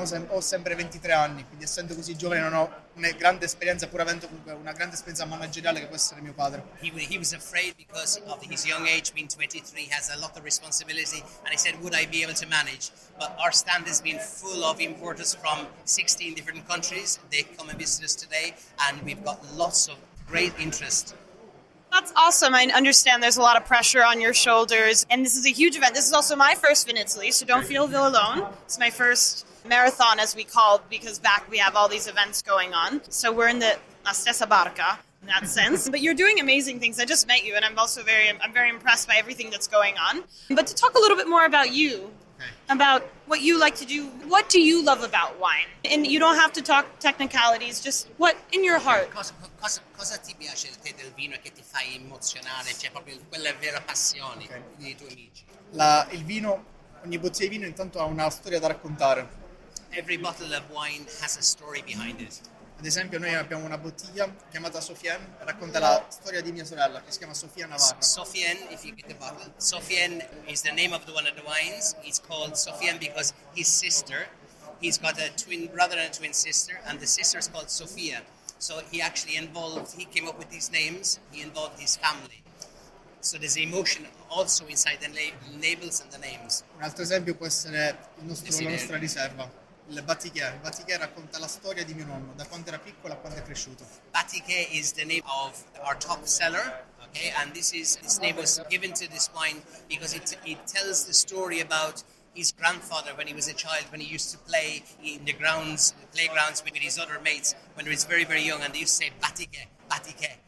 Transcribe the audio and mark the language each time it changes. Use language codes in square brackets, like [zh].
[it] Ho sempre 23 anni, quindi essendo così giovane non ho una grande esperienza, pur avendo comunque una grande esperienza manageriale, che può essere mio padre. [en] He was afraid because of his young age, being 23, has a lot of responsibility, and he said, would I be able to manage? But our stand has been full of importers from 16 different countries. They come and visit us today, and we've got lots of great interest. That's awesome. I understand there's a lot of pressure on your shoulders, and this is a huge event. This is also my first Vinitaly, so don't feel alone. It's my first marathon, as we call it, because back we have all these events going on. So we're in the [it] la stessa barca [en] in that sense. But you're doing amazing things. I just met you, and I'm very impressed by everything that's going on. But to talk a little bit more about you, about what you like to do, what do you love about wine? And you don't have to talk technicalities, just what in your heart. [it] Cosa ti piace di te del vino che ti fa emozionare? Cioè proprio quella vera passione dei tuoi amici. Il vino, ogni bottiglia di vino intanto ha una storia da raccontare. [en] Every bottle of wine has a story behind it. [it] Ad esempio noi abbiamo una bottiglia chiamata Sofien, racconta la storia di mia sorella che si chiama Sofia Navarra. [en] Sofien, if you get the bottle. Sofien is the name of one of the wines. It's called Sofien because his sister, he's got a twin brother and a twin sister, and the sister is called Sofia. So he came up with these names, he involved his family. So there's emotion also inside the labels and the names. [it] Un altro esempio può essere la nostra riserva. Il Batiché. Il Batiché racconta la storia di mio nonno, da quando era piccolo a quando è cresciuto. [en] Batiké is the name of our top seller, okay? And this name was given to this wine because it tells the story about his grandfather when he was a child, when he used to play in the playgrounds with his other mates when he was very, very young, and they used to say Batiké, Batiké.